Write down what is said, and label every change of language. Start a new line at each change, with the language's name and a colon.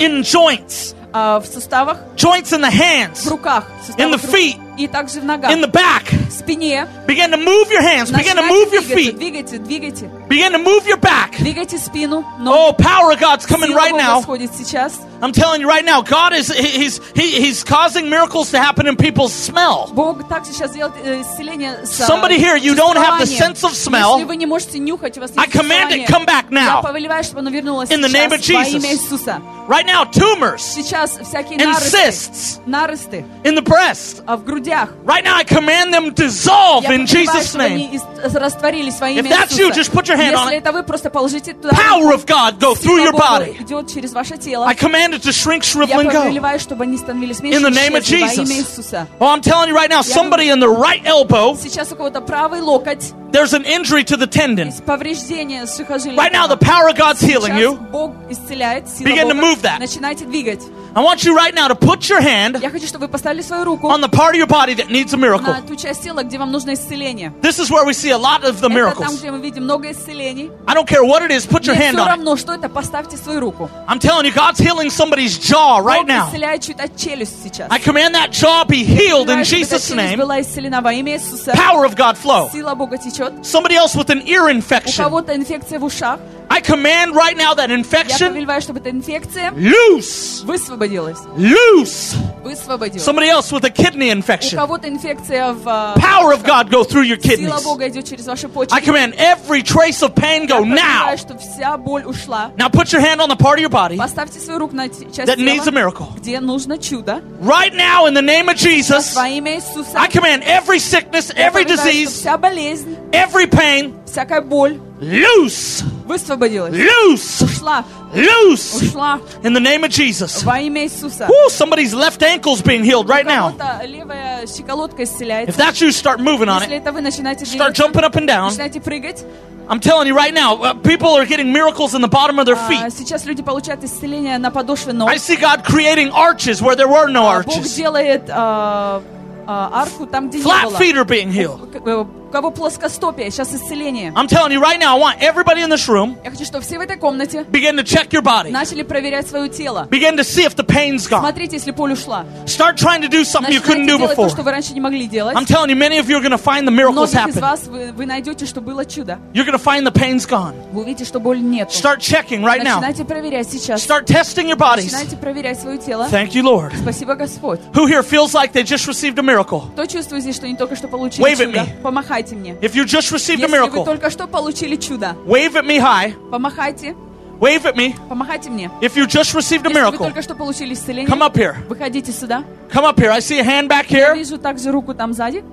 English: In joints.
Russian: В суставах.
English: Joints in the hands.
Russian: В руках.
English: In the feet.
Russian: И также в ногах.
English: In the back.
Russian: В спине.
English: Begin to move your hands. Begin to move your feet.
Russian: Двигайте, двигайте.
English: Begin to move your back.
Russian: Двигайте спину.
English: Oh, power of God's coming right now.
Russian: Сила Бога сходит сейчас.
English: I'm telling you right now, God is he's causing miracles to happen in people's smell.
Russian: Бог также сейчас делает исцеление.
English: Somebody here, you don't have the sense of smell.
Russian: Если вы не можете нюхать, у вас нет.
English: I command it, come back now.
Russian: Я повелеваю, чтобы оно вернулось сейчас.
English: In the name of Jesus. Right now, tumors.
Russian: Сейчас всякие нарысты. Нарысты.
English: In the breast.
Russian: А в грудях.
English: Right now, I command them dissolve in Jesus' name.
Russian: Растворились во имя Иисуса.
English: If that's you, just put your hand on it.
Russian: Если это вы, просто положите туда.
English: Power of God go through your body.
Russian: Идет через ваше тело.
English: I command it to shrink, shrivel, and go.
Russian: Я повелеваю, чтобы они становились меньше.
English: In the name of Jesus.
Russian: Во имя Иисуса.
English: Oh, I'm telling you right now, somebody in the right elbow.
Russian: Сейчас у кого-то правый локоть.
English: There's an injury to the tendon.
Russian: Есть повреждение сухожилия.
English: Right now, the power of God's healing you.
Russian: Сейчас Бог исцеляет.
English: Begin to move that.
Russian: Начинайте двигать.
English: I want you right now to put your hand.
Russian: Я хочу, чтобы вы поставили свою руку.
English: On the part of your body that needs a miracle.
Russian: На ту часть тела, где вам нужно исцеление.
English: This is where we see a lot of the miracles.
Russian: Это там, где мы видим много исцелений.
English: I don't care what it is. Put your hand on it.
Russian: Мне все равно, что это. Поставьте свою руку.
English: I'm telling you, God's healing somebody's jaw right now.
Russian: Бог исцеляет чью-то челюсть сейчас.
English: I command that jaw be healed in Jesus' name.
Russian: Была исцелена во имя Иисуса.
English: Power of God flow.
Russian: Сила Бога течет.
English: Somebody else with an ear infection.
Russian: У кого-то инфекция в ушах.
English: I command right now that infection.
Russian: Я повелеваю, чтобы эта инфекция
English: loose.
Russian: Высвободилась.
English: Loose.
Russian: Высвободилась.
English: Somebody else with a kidney infection.
Russian: У кого-то инфекция в
English: Power of God go through your kidneys.
Russian: Сила Бога идет через ваши почки.
English: I command every trace of pain go now.
Russian: Я повелеваю, чтобы вся боль ушла.
English: Now put your hand on the part of your body.
Russian: Поставьте свою руку на часть тела.
English: That needs a miracle.
Russian: Где нужно чудо.
English: Right now in the name of Jesus.
Russian: Во имя Иисуса.
English: I command every sickness, every disease.
Russian: Вся болезнь.
English: Every pain.
Russian: Всякая боль.
English: Loose.
Russian: Высвободилась.
English: Loose.
Russian: Ушла.
English: Loose.
Russian: Ушла.
English: In the name of Jesus.
Russian: Во имя Иисуса.
English: Ooh, somebody's left ankle's being healed right now.
Russian: Левая щиколотка исцеляется.
English: If that's you, start moving on it.
Russian: Если это вы, начинаете двигаться.
English: Start jumping up and down.
Russian: Начинайте прыгать.
English: I'm telling you right now, people are getting miracles in the bottom of their feet.
Russian: Сейчас люди получают исцеление на подошве ног.
English: I see God creating arches where there were no arches.
Russian: Бог делает арку там, где не было.
English: Flat feet are being healed.
Russian: Кого плоскостопие, сейчас исцеление.
English: I'm telling you right now, I want everybody in this room.
Russian: Я хочу, чтобы все в этой комнате.
English: Begin to check your body.
Russian: Начали проверять свое тело.
English: Begin to see if the pain's gone.
Russian: Смотрите, если боль ушла.
English: Start trying to do something you couldn't do before.
Russian: То, что вы раньше не могли делать.
English: I'm telling you, many of you are going to find the miracles happen.
Russian: Многие из вас вы найдете, что было чудо.
English: You're going to find the pain's gone.
Russian: Вы увидите, что боли нет.
English: Start checking right now.
Russian: Начинайте проверять сейчас.
English: Start testing your bodies.
Russian: Начинайте проверять свое тело.
English: Thank you, Lord.
Russian: Спасибо, Господь.
English: Who here feels like they just received a miracle?
Russian: Кто чувствует здесь, что они только что получили чудо?
English: Wave at me.
Russian: Помахайте. помогайте мне.
English: If you just received
Russian: Если
English: a miracle,
Russian: вы только что получили чудо,
English: wave at me high.
Russian: Помахайте.
English: Wave at me.
Russian: Помахайте мне.
English: If you just received a miracle,
Russian: Если вы только что получили исцеление,
English: come up here.
Russian: Выходите сюда.
English: Come up here. I see a hand back here.
Russian: Я вижу также руку там сзади.